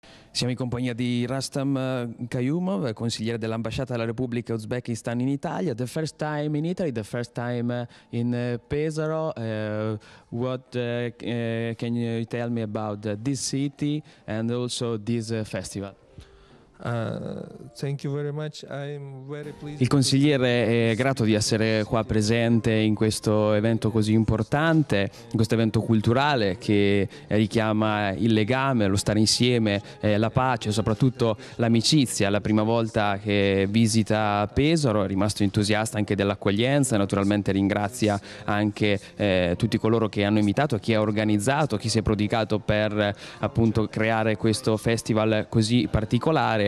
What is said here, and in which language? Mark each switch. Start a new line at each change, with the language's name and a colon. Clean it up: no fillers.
Italian: Siamo in compagnia di Rustam Kayumov, consigliere dell'ambasciata della Repubblica Uzbekistan in Italia.
English: The first time in Italy, the first time in Pesaro. What can you tell me about this city and also this festival? Thank you very much. I'm very pleased.
Italian: Il consigliere è grato di essere qua presente in questo evento così importante, in questo evento culturale che richiama il legame, lo stare insieme, la pace, soprattutto l'amicizia. La prima volta che visita Pesaro, è rimasto entusiasta anche dell'accoglienza, naturalmente ringrazia anche tutti coloro che hanno invitato, chi ha organizzato, chi si è prodigato per appunto creare questo festival così particolare.